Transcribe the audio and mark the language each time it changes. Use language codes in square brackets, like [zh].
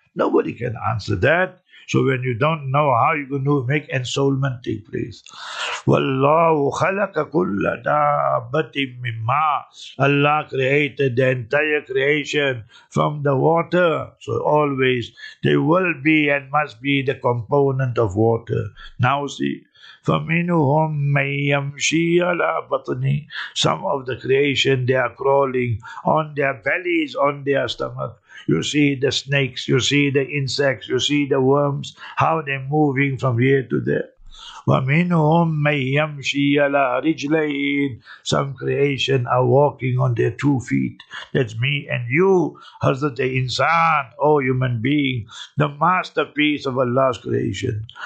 [en] Nobody can answer that. So when you don't know, how you going to make ensoulment take place? [ar] Wallahu khalaqa kulla dabbatin mimma. [en] Allah created the entire creation from the water. So always there will be and must be the component of water. Now see, [ar] فَمِنُهُمْ مَنْ يَمْشِي عَلَىٰ بَطْنِ. [en] Some of the creation, they are crawling on their bellies, on their stomach. You see the snakes, you see the insects, you see the worms, how they're moving from here to there. [ar] وَمِنُهُمْ مَنْ يَمْشِي عَلَىٰ رِجْلَيْنِ. [en] Some creation are walking on their 2 feet. That's me and you, Hazrat Insan, O human being, the masterpiece of Allah's creation.